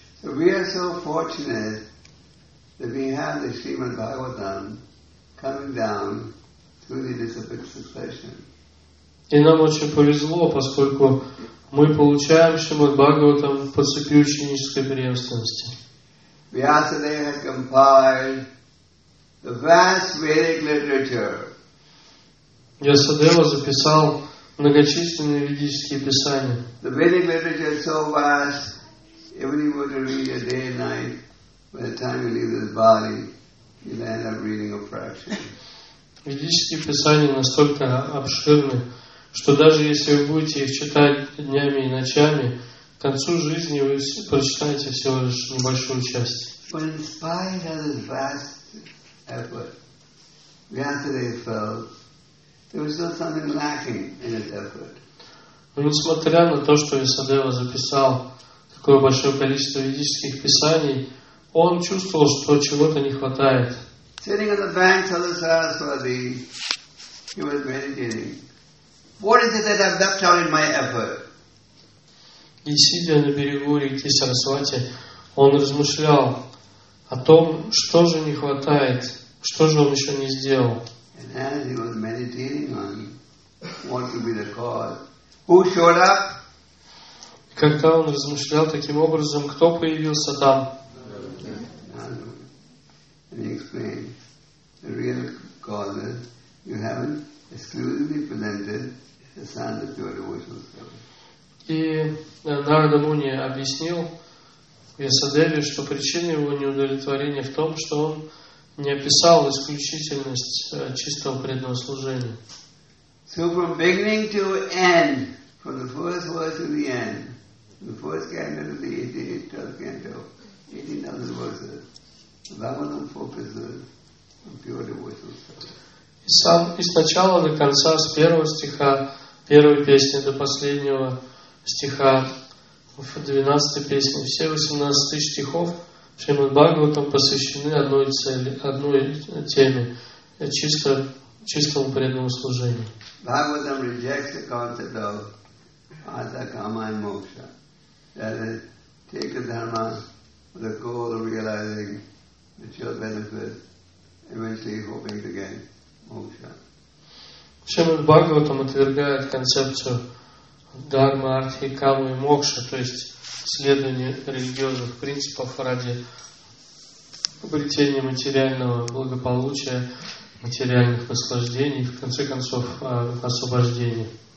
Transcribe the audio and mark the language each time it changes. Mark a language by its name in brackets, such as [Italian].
[English] We are so fortunate that we have the Srimad Bhagavatam coming down through the disciplic succession. [Russian] И нам очень повезло, поскольку мы получаем Шримад Бхагаватам по цепи ученической преемственности. [English] Vyasadeva has compiled the vast Vedic literature. [Russian] Vyasadeva записал многочисленные ведические писания. [English] The Vedic literature is so vast, even if you were to read it day and night, by the time you leave this body, you'll end up reading a fraction. [Russian] Ведические писания настолько обширны, что даже если вы будете их читать днями и ночами, к концу жизни вы прочитаете всего лишь небольшую часть. [English] But in spite of this vast effort, Vyasadeva felt there was still something lacking in his effort. [Russian] Но несмотря на то, что Vyasadeva записал такое большое количество ведических писаний, он чувствовал, что чего-то не хватает. [English] Sitting on the banks of the Saraswati, he was meditating. What is it that I've left out in my effort? [Russian] И сидя на берегу реки Сарасвати, он размышлял о том, что же не хватает, что же он еще не сделал. [English] And as he was meditating on what could be the cause, who showed up? [Russian] И когда он размышлял таким образом, кто появился там? [English] And he explained, the real cause you haven't exclusively presented is the sun that you are devotional service. [Russian] И Нарада Муни объяснил Ясадеве, что причина его неудовлетворения в том, что он не описал исключительность чистого преданного служения. [English] So from beginning to end, from the first verse to the end, the first canto to the 18th canto, 18,000 verses, Bhagavatam focuses on pure devotional service. [Russian] Сам и с начала до конца, с первого стиха, первой песни до последнего стиха в 12 песне. Все 18 тысяч стихов Шримад Бхагаватам посвящены одной цели, одной теме, чистому преданному служению. [English] Бхагаватам rejects the concept of artha, kama and moksha. That is, take the dharma with the goal of realizing the true benefit, eventually hoping to gain moksha. [Russian] Шримад Бхагаватам отвергает концепцию дхарма, артхи, каму и мокша, то есть следование религиозных принципов ради обретения материального благополучия, материальных наслаждений, в конце концов освобождения.